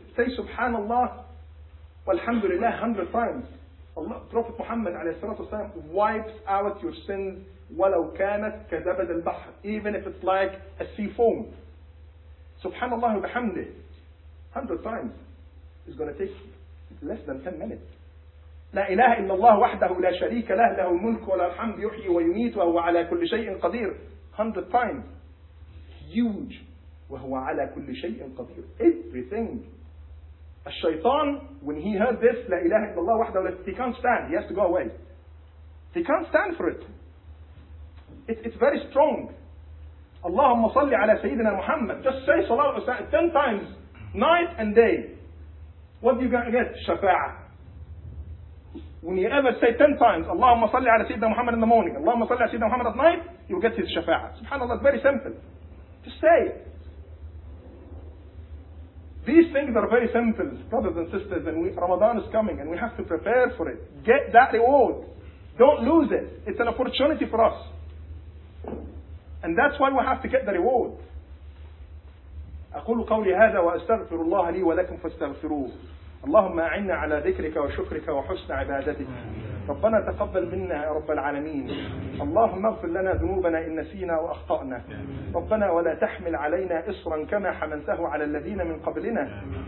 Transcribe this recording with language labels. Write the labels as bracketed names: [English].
[English] Say Subhanallah, walhamdulillah 100 times. Allah, Prophet Muhammad عليه الصلاة والسلام, wipes out your sins [Arabic] ولو كانت كزبد البحر, [English] even if it's like a sea foam. Subhanallah bihamdih 100 times is going to take less than 10 minutes. [Arabic] لا إله إلا الله وحده لا شريك له له الملك ولا الحمد يحيي ويميت وهو على كل شيء قدير [English] 100 times. Huge. [Arabic] وهو على كل شيء قدير. [English] Everything. الشيطان, when he heard this, [Arabic] لا إله إلا الله وحده, [English] he can't stand. He has to go away. He can't stand for it. It's very strong. [Arabic] اللهم صل على سيدنا محمد. [English] Just say [Arabic] صلاة والسلام [English] 10 times, night and day. What do you get? شفاعة. When you ever say 10 times, [Arabic] اللهم صل على سيدنا محمد [English] in the morning, اللهم صل على سيدنا محمد at night, you get his شفاعة. SubhanAllah, it's very simple. Just say it. These things are very simple, brothers and sisters, and Ramadan is coming, and we have to prepare for it. Get that reward. Don't lose it. It's an opportunity for us. And that's why we have to get the reward. [Arabic] أقول قولي هذا وأستغفر الله لي ولكم فاستغفروه. اللهم أعنا على ذكرك وشكرك وحسن عبادتك. ربنا تقبل منا يا رب العالمين. اللهم اغفر لنا ذنوبنا إن نسينا وأخطأنا. ربنا ولا تحمل علينا إصرا كما حملته على الذين من قبلنا.